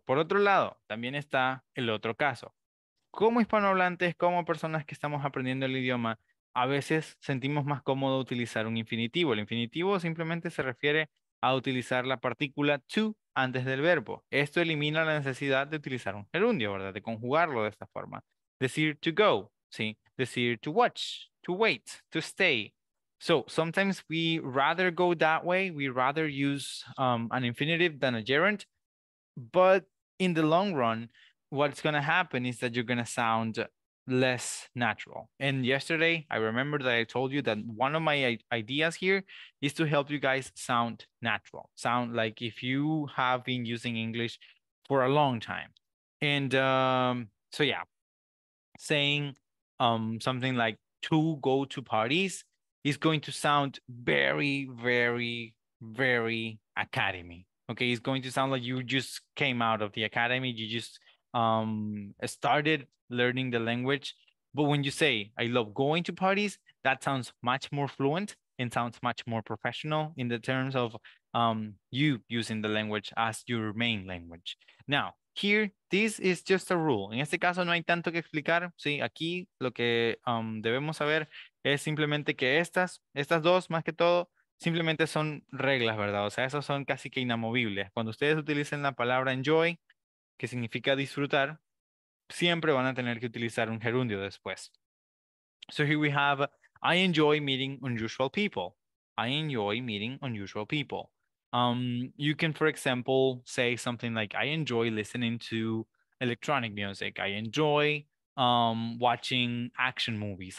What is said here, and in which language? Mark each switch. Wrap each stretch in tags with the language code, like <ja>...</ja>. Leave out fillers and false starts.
<es>Por otro lado, también está el otro caso. Como hispanohablantes, como personas que estamos aprendiendo el idioma, a veces sentimos más cómodo utilizar un infinitivo. El infinitivo simplemente se refiere a utilizar la partícula to antes del verbo. Esto elimina la necesidad de utilizar un gerundio, ¿verdad? De conjugarlo de esta forma. Decir</es> <en>to go,</en> <es>¿sí? Decir</es> <en>to watch, to wait, to stay. So, sometimes we rather go that way, we rather use an infinitive than a gerund. But in the long run, what's going to happen is that you're going to sound less natural. And yesterday, I remember that I told you that one of my ideas here is to help you guys sound natural. Sound like if you have been using English for a long time. And so, yeah, saying something like to go to parties is going to sound very, very, very academy. Okay, it's going to sound like you just came out of the academy. You just started learning the language. But when you say, I love going to parties, that sounds much more fluent and sounds much more professional in the terms of you using the language as your main language. Now, here, this is just a rule.</en> <es>En este caso, no hay tanto que explicar. Sí, aquí lo que debemos saber es simplemente que estas dos, más que todo, simplemente son reglas, ¿verdad? O sea, esas son casi que inamovibles. Cuando ustedes utilicen la palabra enjoy, que significa disfrutar, siempre van a tener que utilizar un gerundio después.</es> <en>So here we have, I enjoy meeting unusual people. I enjoy meeting unusual people. You can, for example, say something like, I enjoy listening to electronic music. I enjoy watching action movies.</en>